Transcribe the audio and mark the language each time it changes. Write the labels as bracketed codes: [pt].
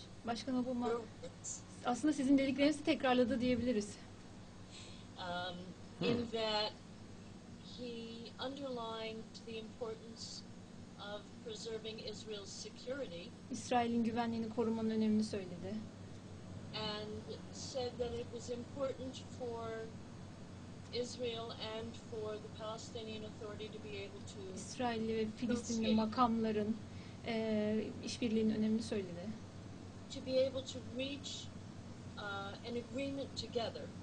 [tr] Başkan Obama aslında sizin dediklerinizi tekrarladı diyebiliriz. [en] In that he underlined the importance of preserving Israel's security. [tr] İsrail'in güvenliğini korumanın önemini söyledi. [en] And said that it was important for Israel and for the Palestinian Authority to be able to [tr] İsrailli ve Filistinli makamların işbirliğinin önemini söyledi. [en] To be able to reach an agreement together.